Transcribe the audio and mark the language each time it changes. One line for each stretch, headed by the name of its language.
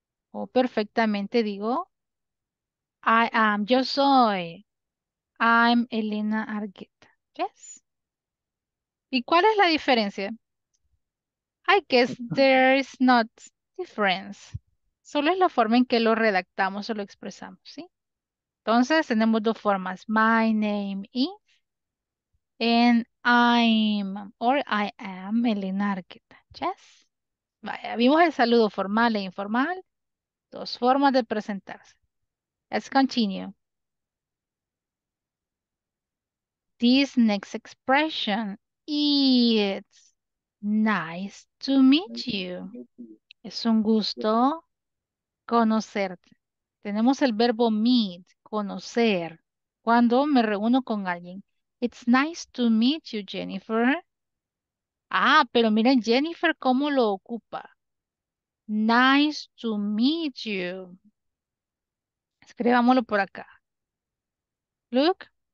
Spanish: O perfectamente digo,
English: I am,
Spanish: yo soy.
English: I'm Elena Argueta. Yes.
Spanish: ¿Y cuál es la diferencia?
English: I guess there is not difference.
Spanish: Solo es la forma en que lo redactamos o lo expresamos, ¿sí? Entonces, tenemos dos formas.
English: My name is and I'm or I am Elena Arqueta. Yes.
Spanish: Vaya, vimos el saludo formal e informal. Dos formas de presentarse.
English: Let's continue. This next expression, it's nice to meet you.
Spanish: Es un gusto conocerte. Tenemos el verbo meet, conocer, cuando me reúno con alguien.
English: It's nice to meet you,
Spanish: Jennifer. Ah, pero miren, Jennifer, ¿cómo lo ocupa?
English: Nice to meet you.
Spanish: Escribámoslo por acá.
English: Look.